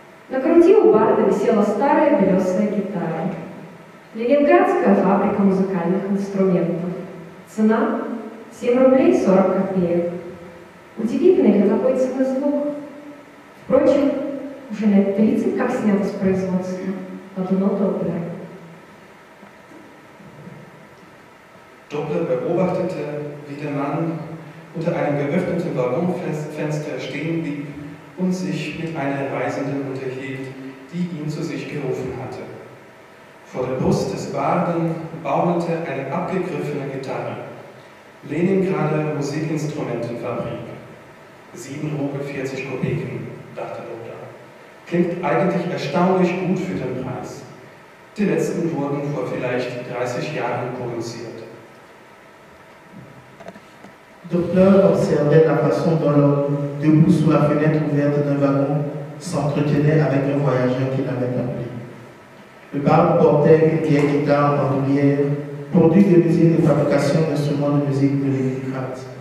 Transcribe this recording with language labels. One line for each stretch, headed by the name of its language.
Russian: На груди у барда висела старая белесая гитара. Ленинградская фабрика музыкальных инструментов. Цена – 7 рублей 40 копеек. Удивительный для такой цены звук. Впрочем, уже лет 30 как снят с производства. Подумал Доплер.
German: Доплер beobachtete, wie der Mann unter einem geöffneten Waggonfenster stehen blieb und sich mit einer Reisenden unterhielt, die ihn zu sich gerufen hatte. Vor der Brust des Barden baumelte eine abgegriffene Gitarre. Leningrader Musikinstrumentenfabrik. 7 Rubel 40 Kopeken, dachte Doppler. Klingt eigentlich erstaunlich gut für den Preis. Die letzten wurden vor vielleicht 30 Jahren produziert.
French: Doppler observait la façon dont l'homme, debout sous la fenêtre ouverte d'un wagon, s'entretenait avec un voyageur qui l'avait appelé. Le bar portait une vieille guitare en bandoulière, produit de l'usine de fabrication d'instruments de musique de Leningrad.